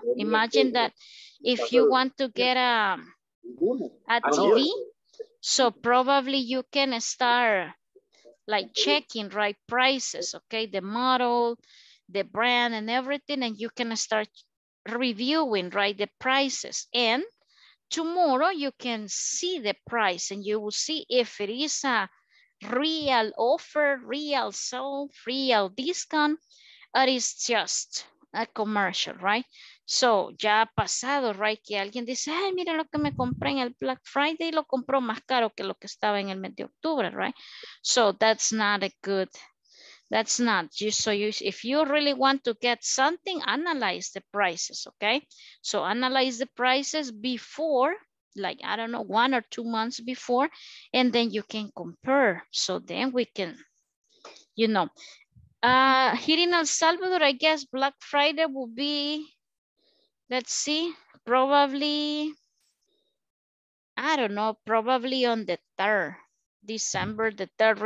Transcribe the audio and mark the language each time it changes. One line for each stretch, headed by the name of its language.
English: Imagine that if you want to get a TV, so probably you can start like checking right prices, okay, the model, the brand and everything, and you can start reviewing right the prices, and tomorrow you can see the price and you will see if it is a real offer, real sale, real discount, or it's just a commercial, right?
Spanish: So, ya ha pasado, right? Que alguien dice, ay, mira lo que me compré en el Black Friday, lo compró más caro que lo que estaba en el mes de octubre, right?
English: So, that's not a good, that's not, you. So you, if you really want to get something, analyze the prices, okay? So, analyze the prices before, like, I don't know, 1 or 2 months before, and then you can compare. So, then we can, you know, here in El Salvador, I guess Black Friday will be, let's see, probably, I don't know, probably on the 3rd, December the 3rd.